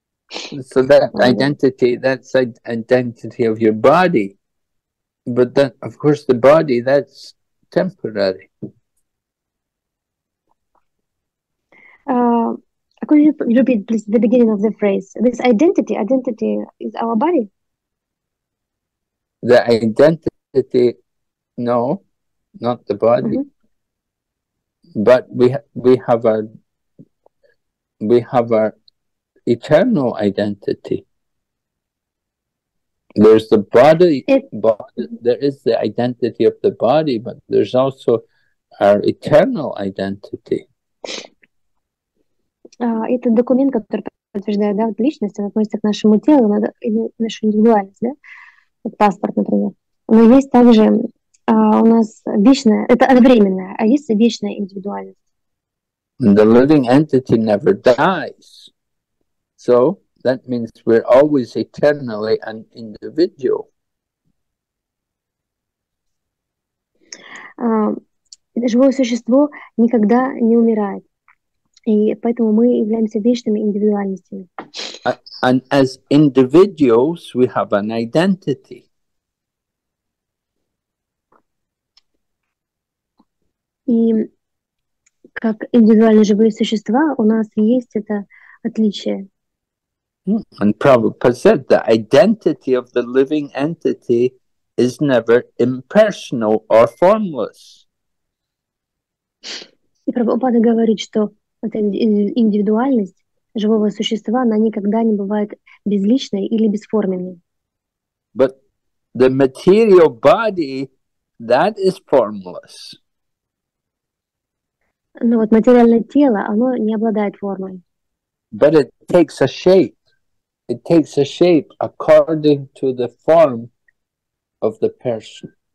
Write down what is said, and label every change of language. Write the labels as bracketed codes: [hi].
[en] So that identity, that's identity of your body. But then, of course, the body, that's temporary. Could you repeat, please, the beginning of the phrase? This identity is our body? The identity, no, not the body. Mm-hmm. But we have our eternal identity. There's the body, there is the identity of the body, but there's also our eternal identity. [ru] Это документ, который подтверждает, да, вот личность, он относится к нашему телу, надо, или нашу индивидуальность, да, как паспорт, например. Но есть также у нас вечная, это одновременная, а есть вечная индивидуальность. [en] The living entity never dies. So that means we're always eternally an individual. [ru] Живое существо никогда не умирает, и поэтому мы являемся вечными индивидуальностями. [en] And as individuals, we have an identity. [ru] И как индивидуальные живые существа у нас есть это отличие. [en] And Prabhupada said, the identity of the living entity is never impersonal or formless. [ru] И Прабхупада говорит, что эта индивидуальность, живого существа, она никогда не бывает безличной или бесформенной. [en] But the material body, that is formless. [ru] Но вот материальное тело, оно не обладает формой. [en] But it takes a shape. It takes a shape according to the form of the person.